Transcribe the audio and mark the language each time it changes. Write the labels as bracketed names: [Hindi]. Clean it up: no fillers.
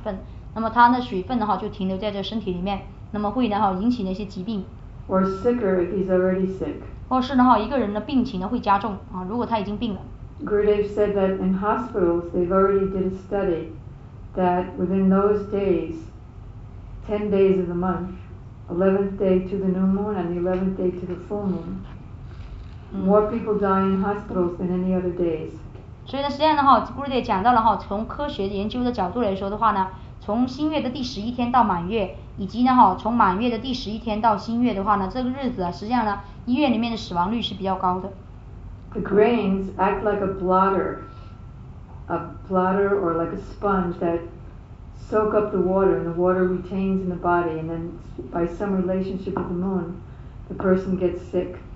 [Chinese] 那么如果在这些日子里面一个人吃的五谷比较多，因为五谷吸收这水分，很多的吸纳水分，那么它的水分就停留在这身体里面。 [English] Or sicker if he's already sick. [Chinese] 或是一个人的病情会加重，如果他已经病了。 [English] Gurudev said that in hospitals they've already did a study that within those days, 10 days of the month, 11th day to the new moon and the 11th day to the full moon, more people die in hospitals than any other days. [Chinese] 所以实际上Gurudev讲到了，从科学研究的角度来说的话呢， 从新月的第十一天到满月，以及从满月的第十一天到新月的话，这个日子实际上医院里面的死亡率是比较高的。 [English] The grains act like a bladder or like a sponge that soak up the water, and the water retains in the body, and then by some relationship with the moon, the person gets sick.